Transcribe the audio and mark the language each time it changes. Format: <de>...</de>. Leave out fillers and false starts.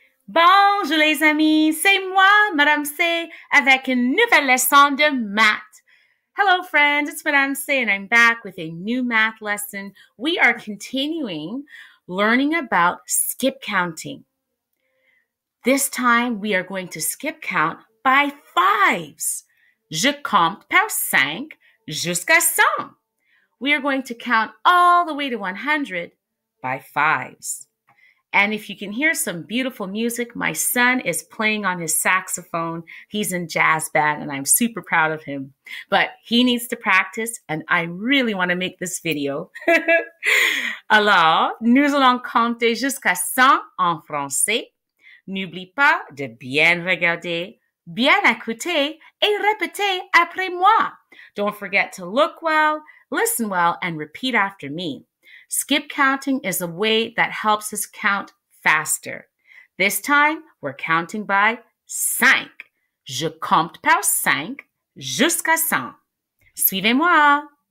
<fr>Bonjour les amis, c'est moi, Madame C, avec une nouvelle leçon de math.</fr> <en>Hello friends, it's Madame C and I'm back with a new math lesson. We are continuing learning about skip counting. This time we are going to skip count by fives.</en> <fr>Je compte par cinq jusqu'à cent.</fr> <en>We are going to count all the way to 100 by fives. And if you can hear some beautiful music, my son is playing on his saxophone. He's in jazz band and I'm super proud of him. But he needs to practice and I really want to make this video.</en> <fr>Alors, nous allons compter jusqu'à 100 en français. N'oublie pas de bien regarder, bien écouter et répéter après moi.</fr> <en>Don't forget to look well, listen well, and repeat after me. Skip counting is a way that helps us count faster. This time, we're counting by</en> <fr>cinq. Je compte par cinq jusqu'à cent. Suivez-moi.</fr>